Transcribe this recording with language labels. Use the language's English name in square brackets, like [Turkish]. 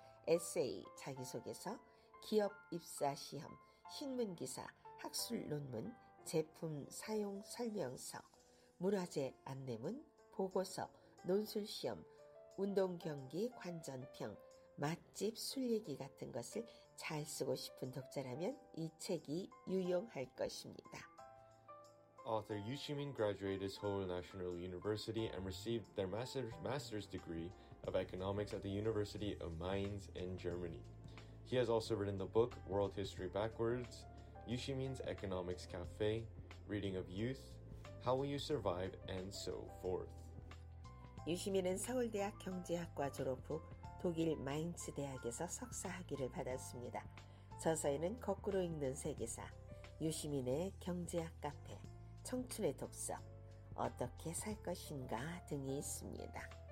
[Korean] 에세이, 자기소개서, 기업 입사시험, 신문기사, 학술논문, 제품 사용 설명서, 문화재 안내문, 보고서, 논술시험, 운동경기 관전평, 맛집 술 얘기 같은 것을 잘 쓰고 싶은 독자라면 이 책이 유용할 것입니다. [English] Author Yu Shimin graduated Seoul National University and received their master's degree of economics at the University of Mainz in Germany. He has also written the book World History Backwards, Yu Shimin's Economics Cafe, Reading of Youth, How Will You Survive, and so forth. [Korean] 유시민은 서울대학 경제학과 졸업 후 독일 마인츠 대학에서 석사 학위를 받았습니다. 저서에는 거꾸로 읽는 세계사, 유시민의 경제학 카페, 청춘의 독서, 어떻게 살 것인가 등이 있습니다.